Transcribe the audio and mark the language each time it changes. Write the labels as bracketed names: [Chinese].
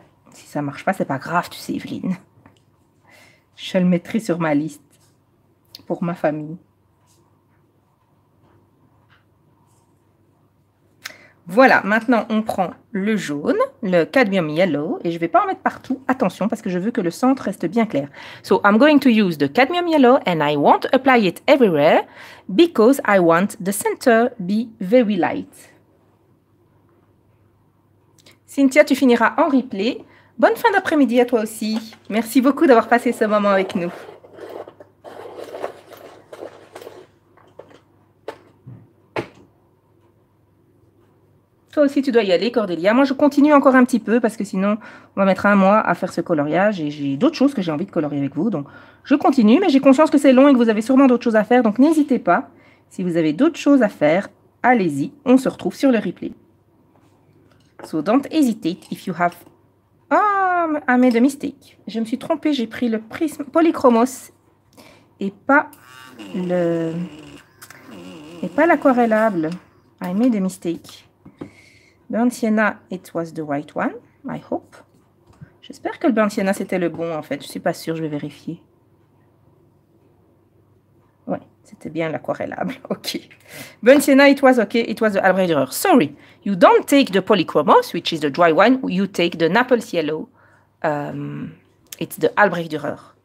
[French] Si ça marche pas, c'est pas grave, tu sais, Evelyne. Je le mettrai sur ma liste pour ma famille. Voilà, maintenant on prend le jaune, le cadmium yellow, et je ne vais pas en mettre partout, attention, parce que je veux que le centre reste bien clair. [English] So, I'm going to use the cadmium yellow and I won't apply it everywhere because I want the center be very light. [French] Cynthia, tu finiras en replay. Bonne fin d'après-midi à toi aussi. Merci beaucoup d'avoir passé ce moment avec nous. Toi aussi, tu dois y aller, Cordélia. Moi, je continue encore un petit peu parce que sinon, on va mettre un mois à faire ce coloriage et j'ai d'autres choses que j'ai envie de colorier avec vous. Donc, je continue, mais j'ai conscience que c'est long et que vous avez sûrement d'autres choses à faire. Donc, n'hésitez pas. Si vous avez d'autres choses à faire, allez-y. On se retrouve sur le replay. [English] So, don't hesitate if you have... Oh, I made a mistake. [French] Je me suis trompée. J'ai pris le prisme polychromos et pas le... Et pas l'aquarellable. [English] I made a mistake. Burnt Sienna, it was the right one, I hope. [French] J'espère que le Burnt Sienna, c'était le bon, en fait. Je ne suis pas sûre, je vais vérifier. Ouais, c'était bien l'aquarellable, ok. [English] Burnt Sienna, it was okay, it was the Albrecht Dürer. Sorry, you don't take the Polychromos, which is the dry one, you take the Naples Yellow, it's the Albrecht Dürer.